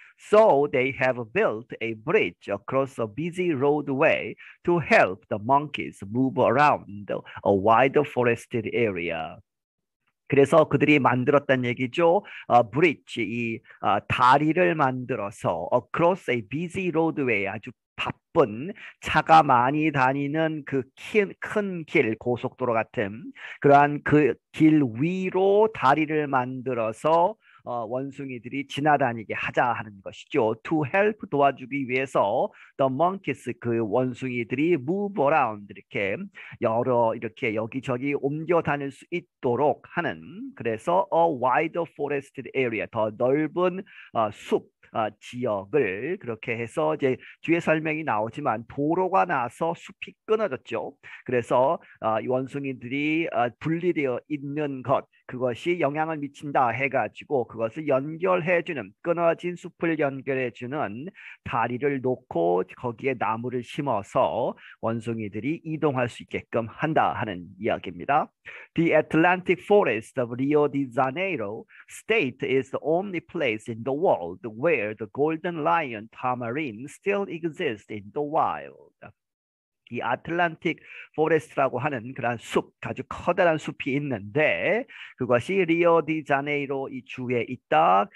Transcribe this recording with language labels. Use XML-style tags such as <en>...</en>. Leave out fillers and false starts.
<en>So they have built a bridge across a busy roadway to help the monkeys move around a wider forested area.</en> <ko>그래서 그들이 만들었다는 얘기죠. Bridge, 이 다리를 만들어서</ko> <en>across a busy roadway,</en> <ko>아주 바쁜 차가 많이 다니는 그 큰 길, 고속도로 같은 그러한 그 길 위로 다리를 만들어서 원숭이들이 지나다니게 하자 하는 것이죠.</ko> <en>To help,</en> <ko>도와주기 위해서</ko> <en>the monkeys,</en> <ko>그 원숭이들이</ko> <en>move around,</en> <ko>이렇게 여러 이렇게 여기저기 옮겨 다닐 수 있도록 하는, 그래서</ko> <en>a wider forested area,</en> <ko>더 넓은 숲 지역을, 그렇게 해서 이제 뒤에 설명이 나오지만 도로가 나서 숲이 끊어졌죠. 그래서 원숭이들이 분리되어 있는 것, 그것이 영향을 미친다 해가지고 그것을 연결해주는, 끊어진 숲을 연결해주는 다리를 놓고 거기에 나무를 심어서 원숭이들이 이동할 수 있게끔 한다 하는 이야기입니다.</ko> <en>The Atlantic Forest of Rio de Janeiro State is the only place in the world where the golden lion tamarin still exists in the wild.</en> <ko>이 아틀란틱 포레스트라고 하는 그런 숲, 아주 커다란 숲이 있는데 그것이 리오디자네이로 이 주에 있다.</ko>